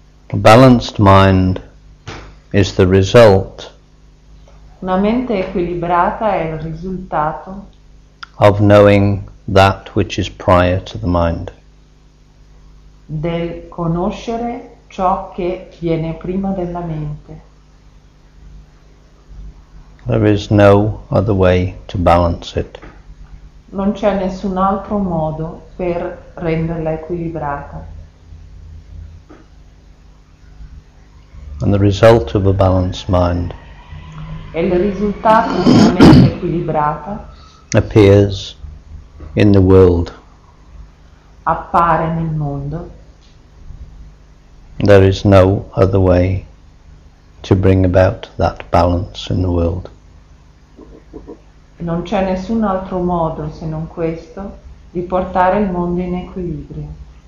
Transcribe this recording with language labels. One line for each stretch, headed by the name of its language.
English: A balanced mind is the result.
Italian: Una mente equilibrata è il risultato
English: of knowing that which is prior to the mind.
Italian: Del conoscere ciò che viene prima della mente.
English: There is no other way to balance it.
Italian: Non c'è nessun altro modo per renderla equilibrata.
English: And the result of a balanced mind.
Italian: E il risultato di una mente equilibrata.
English: Appears in the world.
Italian: Appare nel mondo.
English: There is no other way to bring about that balance in the world.
Italian: Non c'è nessun altro modo, se non questo, di portare il mondo in equilibrio.